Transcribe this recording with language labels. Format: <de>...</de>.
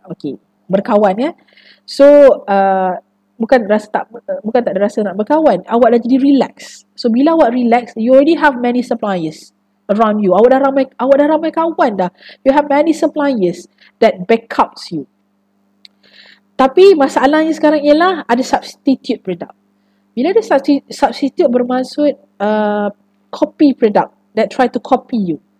<ms>Okay, berkawan ya. So, bukan tak ada rasa nak berkawan. Awak dah jadi relax.</ms> <en>So,</en> <ms>bila awak</ms> <en>relax, you already have many suppliers around you.</en> <ms>Awak dah ramai kawan dah.</ms> <en>You have many suppliers that backups you.</en> <ms>Tapi masalahnya sekarang ialah ada substitute product. Bila ada</ms> <en>substitute bermaksud copy product that try to copy you.</en>